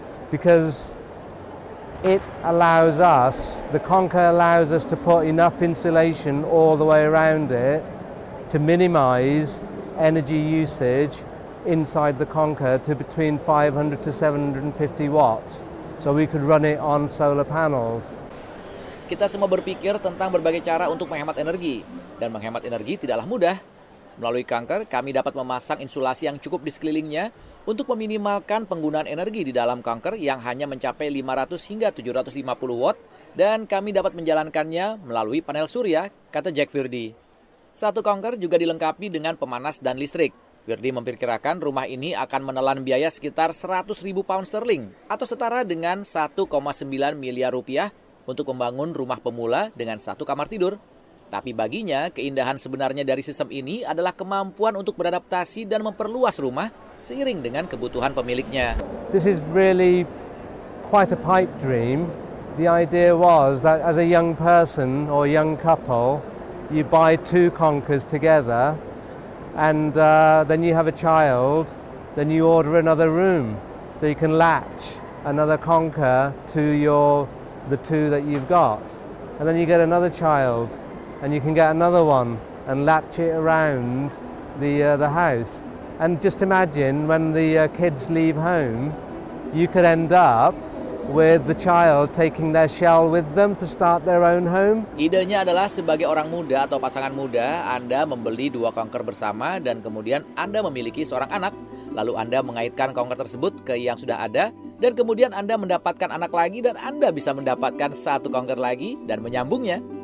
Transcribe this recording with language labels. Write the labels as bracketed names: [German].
[English] because it allows us, the conker allows us to put enough insulation all the way around it to minimize energy usage inside the conker to between 500 to 750 watts, so we could run it on solar panels. [Indonesian] Kita semua berpikir tentang berbagai cara untuk menghemat energi, dan menghemat energi tidaklah mudah. Melalui conker, kami dapat memasang insulasi yang cukup di sekelilingnya untuk meminimalkan penggunaan energi di dalam conker yang hanya mencapai 500 hingga 750 watt, dan kami dapat menjalankannya melalui panel surya, kata Jack Firdy. Satu conker juga dilengkapi dengan pemanas dan listrik. Firdy memperkirakan rumah ini akan menelan biaya sekitar 100 ribu pound sterling atau setara dengan 1,9 miliar rupiah untuk membangun rumah pemula dengan satu kamar tidur. Tapi baginya, keindahan sebenarnya dari sistem ini adalah kemampuan untuk beradaptasi dan memperluas rumah seiring dengan kebutuhan pemiliknya. [English] This is really quite a pipe dream. The idea was that as a young person or young couple, you buy two conkers together and then you have a child, then you order another room so you can latch another conker to your the two that you've got. And then you get another child, and you can get another one, and latch it around the house. And just imagine when the kids leave home, you could end up with the child taking their shell with them to start their own home. [Indonesian] Idenya adalah sebagai orang muda atau pasangan muda, Anda membeli dua conker bersama dan kemudian Anda memiliki seorang anak. Lalu Anda mengaitkan conker tersebut ke yang sudah ada dan kemudian Anda mendapatkan anak lagi dan Anda bisa mendapatkan satu conker lagi dan menyambungnya.